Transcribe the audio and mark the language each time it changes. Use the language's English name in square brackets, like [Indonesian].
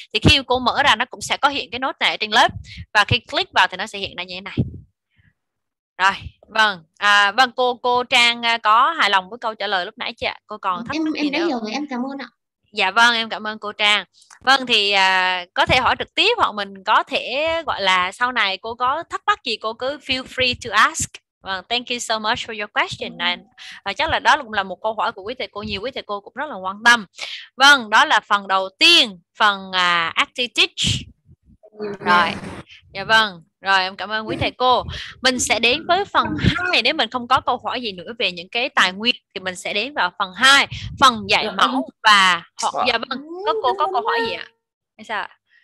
[Vietnamese] Thì khi cô mở ra nó cũng sẽ có hiện cái notes này ở trên lớp. Và khi click vào thì nó sẽ hiện ra như thế này. Rồi, vâng. À, vâng, cô Trang có hài lòng với câu trả lời lúc nãy chưa? Cô còn thắc mắc gì em nữa? Em đã hiểu rồi, em cảm ơn ạ. Dạ vâng, em cảm ơn cô Trang. Vâng, thì có thể hỏi trực tiếp, hoặc mình có thể gọi là sau này cô có thắc mắc gì cô cứ [English] feel free to ask. [Vietnamese] Vâng, [English] thank you so much for your question. [Vietnamese] Và chắc là đó cũng là một câu hỏi của quý thầy cô, nhiều quý thầy cô cũng rất là quan tâm. Vâng, đó là phần đầu tiên, phần ActiveTeach. Rồi, dạ vâng. Rồi, em cảm ơn quý thầy cô. Mình sẽ đến với phần 2. Nếu mình không có câu hỏi gì nữa về những cái tài nguyên thì mình sẽ đến vào phần 2, phần dạy mẫu và hoặc dạ vâng, có cô có câu hỏi gì ạ? Hay sao ạ?